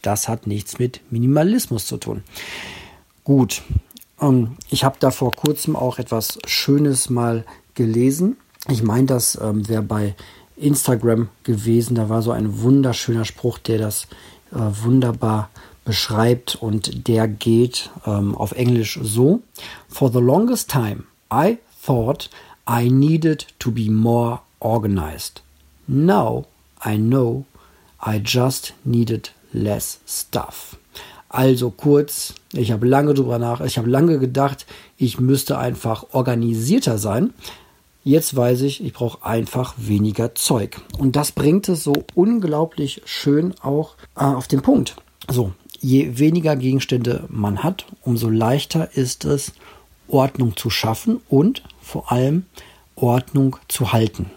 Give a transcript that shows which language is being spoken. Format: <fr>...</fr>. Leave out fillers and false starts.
<de>Das hat nichts mit Minimalismus zu tun. Gut, ich habe da vor kurzem auch etwas Schönes mal gelesen. Ich meine, das wäre bei Instagram gewesen. Da war so ein wunderschöner Spruch, der das wunderbar beschreibt. Und der geht auf Englisch so.</de> <en>For the longest time, I thought I needed to be more organized. Now, I know I just needed less stuff.</en> <de>Also kurz, ich habe lange gedacht, ich müsste einfach organisierter sein. Jetzt weiß ich, ich brauche einfach weniger Zeug. Und das bringt es so unglaublich schön auch auf den Punkt. So, je weniger Gegenstände man hat, umso leichter ist es, Ordnung zu schaffen und vor allem Ordnung zu halten.</de>